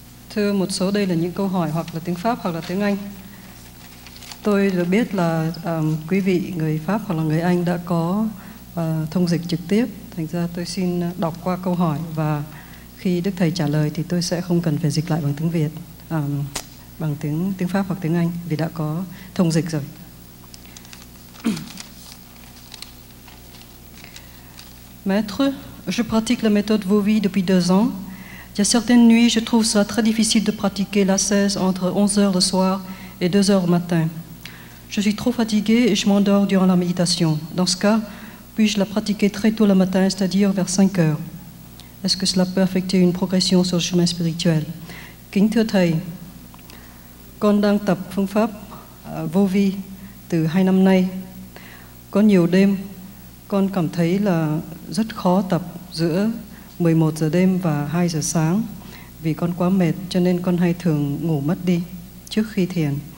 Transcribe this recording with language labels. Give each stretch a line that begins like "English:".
Vietnamese: Thưa, một số đây là những câu hỏi hoặc là tiếng Pháp hoặc là tiếng Anh. Tôi được biết là quý vị người Pháp hoặc là người Anh đã có thông dịch trực tiếp. Thành ra tôi xin đọc qua câu hỏi và khi Đức Thầy trả lời thì tôi sẽ không cần phải dịch lại bằng tiếng Việt, bằng tiếng Pháp hoặc tiếng Anh vì đã có thông dịch rồi.
French: Maître, je pratique la méthode Vovi depuis 2 ans. Il y a certaines nuits, je trouve ça très difficile de pratiquer l'assaise entre 11h le soir et 2h le matin. Je suis trop fatiguée et je m'endors durant la méditation. Dans ce cas, puis-je la pratiquer très tôt le matin, c'est-à-dire vers 5h? Est-ce que cela peut affecter une progression sur le chemin spirituel?
Vietnamese: Kính thưa Thầy, con đang tập phương pháp Vovi từ 2 năm nay. Có nhiều đêm, con cảm thấy là rất khó tập giữa 11 giờ đêm và 2 giờ sáng. Vì con quá mệt cho nên con hay thường ngủ mất đi trước khi thiền.